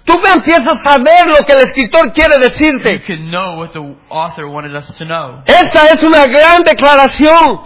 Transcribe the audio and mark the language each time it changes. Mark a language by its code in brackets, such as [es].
[es] tú empiezas a ver lo que el escritor quiere decirte. [en] You can know what the author wanted us to know. [es] Esta es una gran declaración.